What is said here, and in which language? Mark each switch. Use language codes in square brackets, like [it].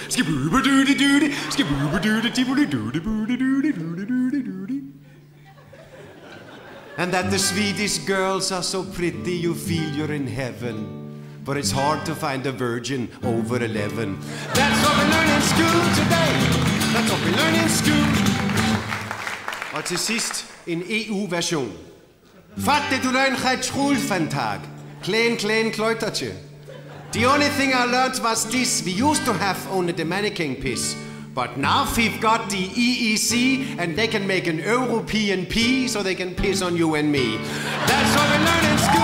[en] Skibooba-doody-doody, skibooba-doody-doody-doody-doody-doody-doody-doody-doody. And that the Swedish girls are so pretty you feel you're in heaven. But it's hard to find a virgin over 11. That's what we learn in school today. That's what we learn in school. [da] Og til sidst en EU-version. Fatte du løn her schulfantag. Klein, klein, kløjtertje. [en] The only thing I learned was this. We used to have only the mannequin piss. But now we've got the EEC and they can make an European pee so they can piss on you and me. That's what we learned in